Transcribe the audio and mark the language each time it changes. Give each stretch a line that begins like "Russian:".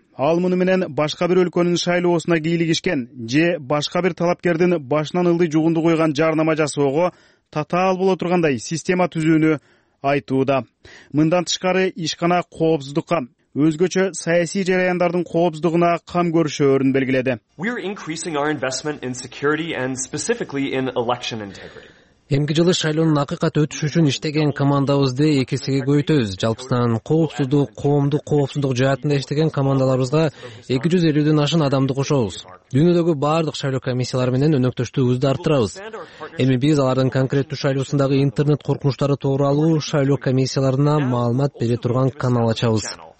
Kyrgyz: Ал муну менен башка бир өлкөнүн шайлоосуна кийлигишкен же башка бир талапкердин башынан ылдый жугунду койгон жарнама жасоого татаал боло тургандай система түзүүнү айтууда. Мындан тышкары ишкана коопсуздукка, өзгөчө саясий жараяндардын коопсуздугуна кам көрүшөөрүн белгиледи.
English: We are increasing our investment in security and specifically in election integrity.
Kyrgyz: Эмки жылы шайлоонун акыйкат өтүшү үчүн иштеген командабызды эки эсеге көбөйтөбүз. Жалпысынан коопсуздук, коомдук коопсуздук жаатында иштеген командаларыбызга 250 ашуун адамды кошобуз. Дүйнөдөгү баардык шайлоо комиссиялары менен өнөктөштүгүбүздү арттырабыз. Эми биз алардын конкреттүү шайлоосундагы интернет коркунучтары тууралуу шайлоо комиссияларына маалымат бере турган канал ачабыз.